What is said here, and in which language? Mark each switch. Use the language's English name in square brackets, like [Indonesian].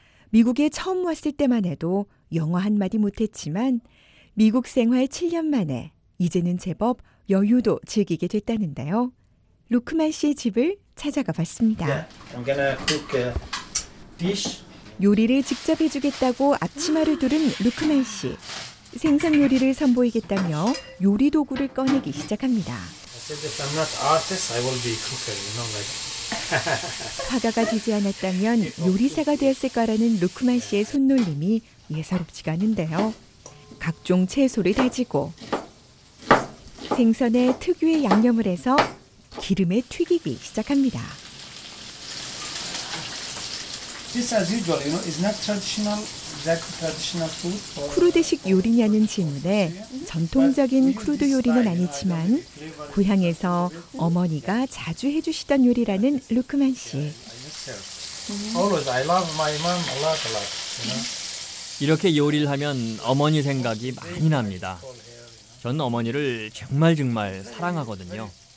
[Korean] 미국에 처음 왔을 때만 해도 영어 한마디 못했지만 미국 생활 7년 만에 이제는 제법 여유도 즐기게 됐다는데요. 루크만 씨의 집을 찾아가 봤습니다. [English] Yeah, [Korean] 요리를 직접 해주겠다고 앞치마를 두른 루크만 씨. 생선 요리를 선보이겠다며 요리 도구를 꺼내기 시작합니다. [English] If I'm not artist, I will be cooker, you know, like. [Korean] 화가가 되지 않았다면 요리사가 되었을 거라는 루크만 씨의 손놀림이 예사롭지가 않은데요. 각종 채소를 다지고 생선에 특유의 양념을 해서 기름에 튀기기 시작합니다. [English] This as usual, you know, is not traditional. Exactly. [Korean] 쿠르드식 요리냐는 질문에 전통적인 쿠르드 요리는 아니지만 고향에서 어머니가 자주 해주시던 요리라는 루크만 씨. [English] Always I love my mom a lot. [Korean] 이렇게 요리를 하면 어머니 생각이 많이 납니다. 저는 어머니를 정말 정말 사랑하거든요.